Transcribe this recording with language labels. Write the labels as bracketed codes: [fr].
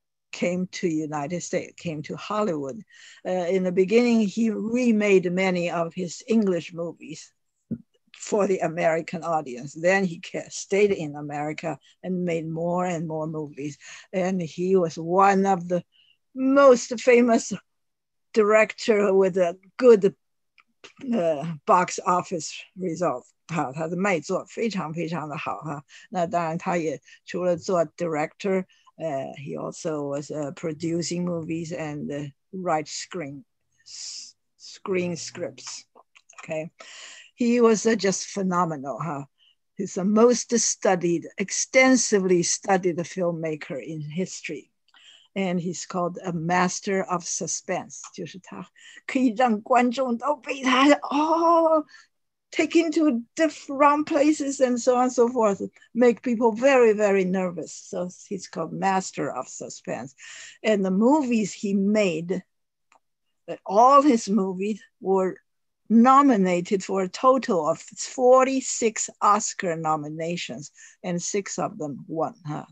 [en] came to Hollywood. In the beginning, he remade many of his English movies for the American audience. Then he stayed in America and made more and more movies. And he was one of the most famous director with a good box office result. [zh] 好，他的卖座非常非常的好哈。那当然，他也除了做 director。 [en] He also was producing movies and write screen scripts. Okay, he was just phenomenal. Huh? He's the most extensively studied filmmaker in history, and he's called a master of suspense. [zh] 就是他可以让观众都被他哦。 [en] Taken to different wrong places and so on and so forth, make people very, very nervous. So he's called Master of Suspense. And the movies he made, all his movies were nominated for a total of 46 Oscar nominations, and six of them won. Huh?